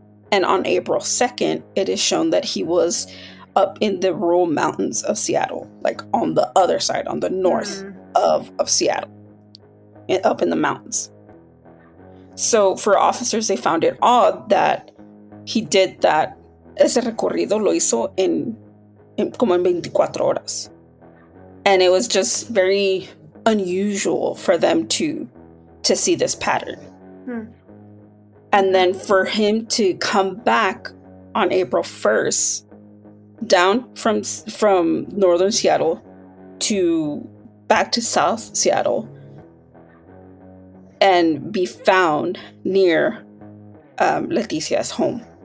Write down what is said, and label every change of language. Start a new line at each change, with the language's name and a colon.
English: And on April 2nd, it is shown that he was up in the rural mountains of Seattle, like on the other side, on the north of Seattle, up in the mountains. So for officers, they found it odd that he did that.
Spanish: Ese recorrido lo hizo en como en 24 horas.
English: And it was just very unusual for them to see this pattern. And then for him to come back on April 1st, down from northern Seattle to back to south Seattle and be found near Leticia's home.